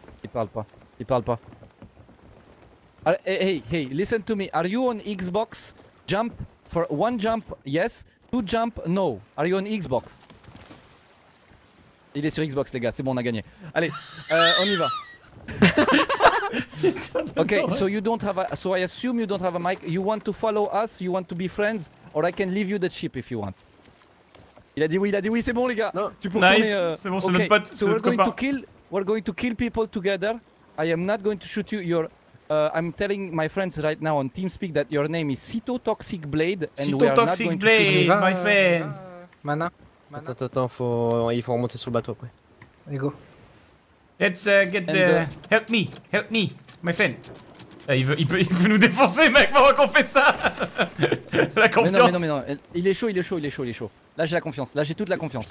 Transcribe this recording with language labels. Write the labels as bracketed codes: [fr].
[fr] Il parle pas. [en] Hey, listen to me. Are you on Xbox? Jump for one jump, yes. Two jump, no. Are you on Xbox? [fr] Il est sur Xbox, les gars. C'est bon, on a gagné. Allez, on y va. [en] Okay, so you don't have a. So I assume you don't have a mic. You want to follow us? You want to be friends? Or I can leave you the chip if you want. [fr] Il a dit oui, c'est bon, les gars. Non. Tu peux nice. Tourner, c'est bon, c'est [en] okay. [fr] Notre pote. [en] So we're going to kill. We're going to kill people together. I am not going to shoot you. I'm telling my friends right now on TeamSpeak that your name is Cytotoxic Blade and we are not going to kill you. Cytotoxic Blade, my friend. Mana. [fr] Attends, il faut remonter sur le bateau après. [en] Let's go. Let's get the... Help me, my friend. [fr] Il veut nous défoncer, mec, pendant qu'on fait ça. La confiance. Mais non. Il est chaud. Là, j'ai toute la confiance.